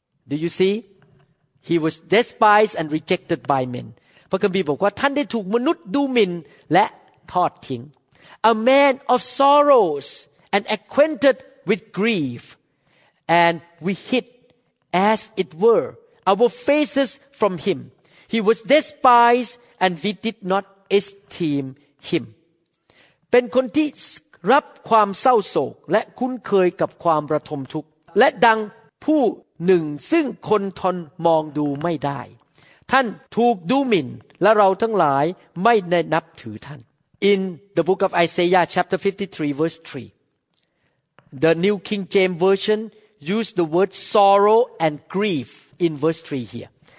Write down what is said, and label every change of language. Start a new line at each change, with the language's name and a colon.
English: Do you see He was despised and rejected by men
Thai: พระคัมภีร์บอกว่าท่านได้ถูกมนุษย์ดูหมิ่นและทอดทิ้ง
English: A man of sorrows and acquainted with griefAnd we hid, as it were, our faces from him. He was despised, and we did not esteem him.
Thai: เป็นคนที่รับความเศร้าโศกและคุ้นเคยกับความระทมทุกข์และดังผู้หนึ่งซึ่งคนทนมองดูไม่ได้ท่านถูกดูหมิ่นและเราทั้งหลายไม่ได้นับถือท่าน
English: In the book of Isaiah, chapter 53, verse 3, the New King James Version,Use the word sorrow and grief in verse 3 here.